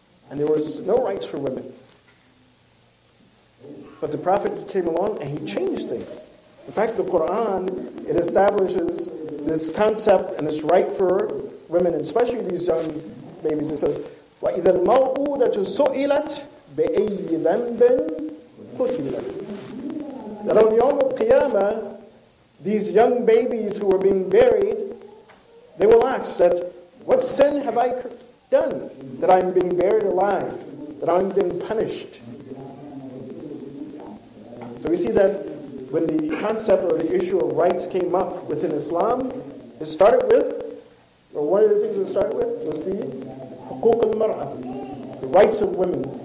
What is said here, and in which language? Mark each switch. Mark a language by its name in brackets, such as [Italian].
[English] And there was no rights for women. But the Prophet came along and he changed things. In fact, the Quran, it establishes this concept and this right for women, especially these young babies. [Arabic] It says, وَإِذَا الْمَوْءُودَةُ سُئِلَتْ بِأَيِّ ذَنْبٍ قُتِلَتْ. [English] That on Yawm al-Qiyamah, these young babies who were being buried, they will ask that, what sin have I done that I'm being buried alive, that I'm being punished? So we see that when the concept or the issue of rights came up within Islam, it started with, or one of the things it started with, was the huquq al-mar'a, the rights of women.